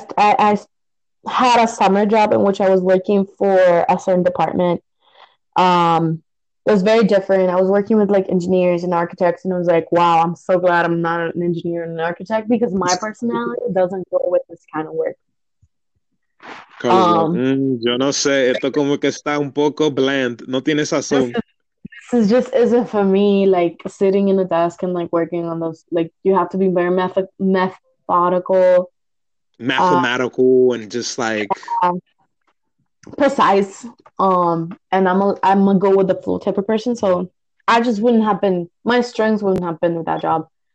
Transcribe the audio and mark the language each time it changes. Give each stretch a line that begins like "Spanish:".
English: I had a summer job in which I was working for a certain department. It was very different. I was working with like engineers and architects, and I was like, wow, I'm so glad I'm not an engineer and an architect because my personality doesn't go with this kind of work.
Spanish: Carlos, like, yo no sé, esto como que está un poco bland, no tiene sazón.
English: This just isn't for me, like sitting in a desk and like working on those, like you have to be very methodical. Mathematical and just like. Precise. And I'm a go with the flow type of person. So I just wouldn't have been, my strengths wouldn't have been with that job.